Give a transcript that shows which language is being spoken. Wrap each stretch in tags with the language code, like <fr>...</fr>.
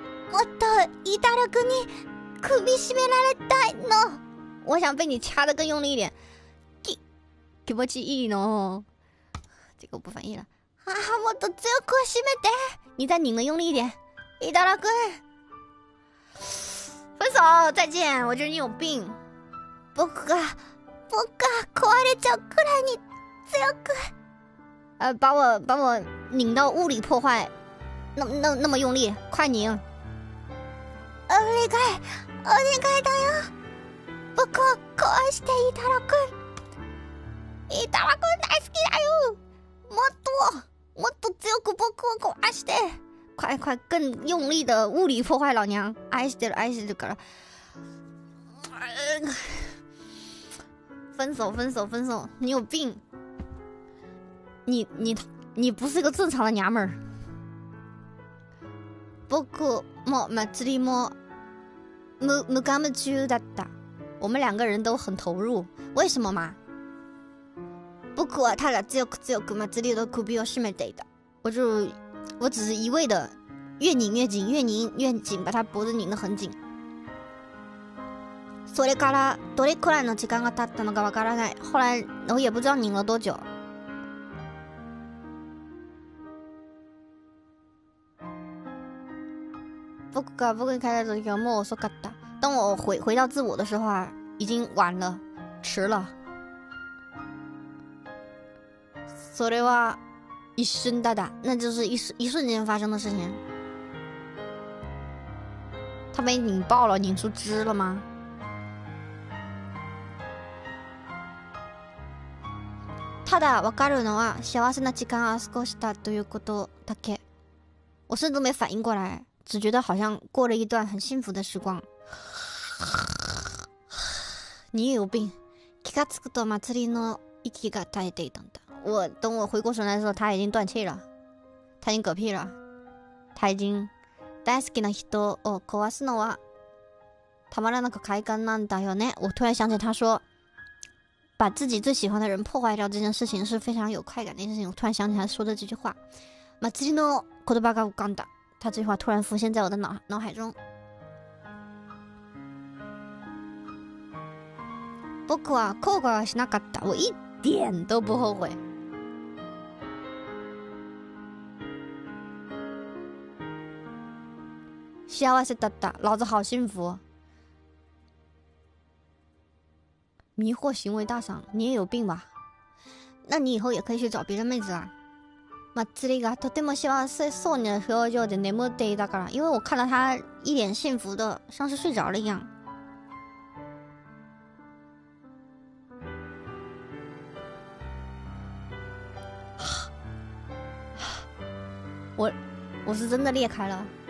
<ja>もっと、伊太郎くんに、首絞められたいの。</ja> <zh>我想被你掐得更用力一点。</zh> <ja>気持ちいいの。</ja> <zh>这个我不翻译了。</zh> <ja>啊，もっと強く締めて。</ja> <zh>你再拧得用力一点。</zh> <ja>伊太郎くん。</ja> <zh>分手，再见，我觉得你有病。</zh> <ja>僕が壊れちゃうくらいに強く。</ja> <zh>把我拧到物理破坏。那么用力，快拧。</zh> <ja>お願いだよ。僕を壊して伊太郎くん。伊太郎くん大好きだよ。もっと強く僕を壊して。</ja> <zh>快更用力的物理破坏老娘。</zh> <ja>愛してるから。</ja> <zh>分手，你有病。你不是个正常的娘们儿。</zh> <ja>僕も祭りも無我夢中だった。</ja> <zh>我们两个人都很投入。为什么嘛？</zh> <ja>僕はただ強く祭りの首を絞めていた。</ja> <zh>我只是一味的越拧越紧，把他脖子拧得很紧。</zh> <ja>それからどれくらいの時間が経ったのかわからない。</ja> <zh>后来我也不知道拧了多久。</zh> <ja>僕が帰った時はもう遅かった。</ja> <zh>当我回到自我的时候，已经晚了，迟了。</zh> <ja>それは一瞬だだ。</ja> <zh>那就是一瞬间发生的事情。他被拧爆了，拧出汁了吗？</zh> <ja>ただ分かるのは幸せな時間は過ごしたということだけ。</ja> <zh>我甚至没反应过来，只觉得好像过了一段很幸福的时光。你也有病。</zh> <ja>気がつくと祭りの息が絶えていたんだ。</ja> <zh>我等我回过神来的时候，他已经断气了，他已经嗝屁了，他已经。</zh> <ja>大好きな人を壊すのはたまらなく快感なんだよね。</ja> <zh>我突然想起他说。把自己最喜欢的人破坏掉这件事情是非常有快感的一件事情。我突然想起来说的这句话，</zh> <ja>マジの言葉が浮かんだ。</ja> <zh>他这句话突然浮现在我的脑海中。</zh> <ja>僕は後悔はしなかった。</ja> <zh>我一点都不后悔。</zh> <ja>幸せだった。</ja> <zh>老子好幸福。迷惑行为大赏，你也有病吧？那你以后也可以去找别的妹子啊。</zh> <ja>マツリがとても幸せそうな表情で眠っていたから，</ja> <zh>因为我看到他一脸幸福的，像是睡着了一样。我是真的裂开了。</zh>